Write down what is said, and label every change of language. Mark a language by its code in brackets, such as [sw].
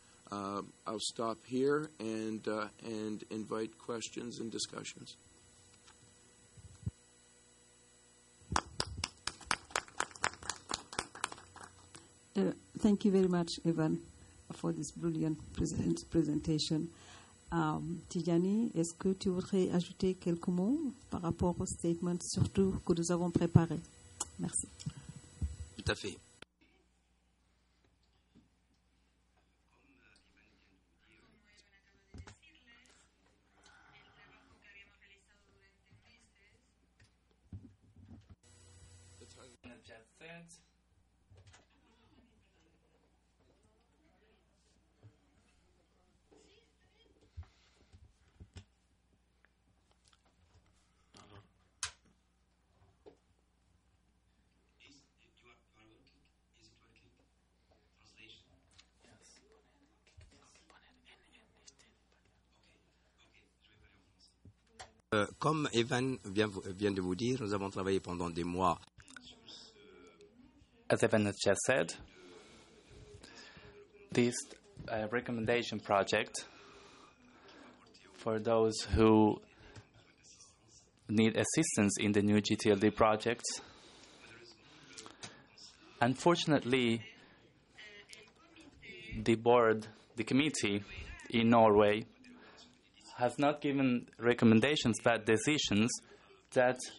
[en] I'll stop here and invite questions and discussions. Thank you very much, Evan, for this brilliant presentation. [fr] Tijani, est-ce que tu voudrais ajouter quelques mots par rapport aux statements, surtout que nous avons préparés? Merci. Tout à fait. [en] and Jeff Fent. [fr] Comme Evan vient de vous dire, nous avons travaillé pendant des mois. [en] As Evan has just said, this recommendation project for those who need assistance in the new GTLD project, unfortunately, the board, the committee in Norway, has not given recommendations but decisions that